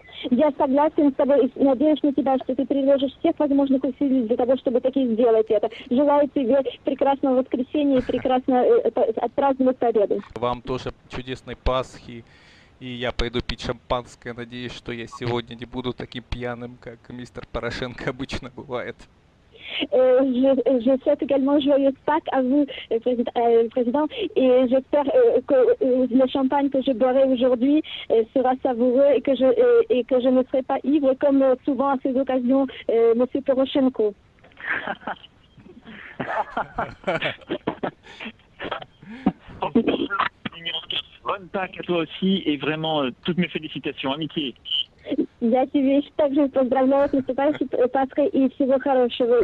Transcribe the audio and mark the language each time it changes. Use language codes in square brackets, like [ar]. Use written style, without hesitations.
[ru] Я согласен с тобой и надеюсь на тебя, что ты приложишь всех возможных усилий для того, чтобы так и сделать это. Желаю тебе прекрасного воскресенья и прекрасно отпраздновать победу. Вам тоже чудесной Пасхи. И я пойду пить шампанское. Надеюсь, что я сегодня не буду таким пьяным, как мистер Порошенко обычно бывает. [fr] Je souhaite également joyeuse Pâques à vous, Président, et j'espère que le champagne que je boirai aujourd'hui sera savoureux et que je ne serai pas ivre, comme souvent à ces occasions, Monsieur Porochenko. Bonne Pâques à toi aussi, et vraiment, toutes mes félicitations, amitié. [ru] Я тебе еще так же поздравляю с наступающей Пасхой и всего хорошего.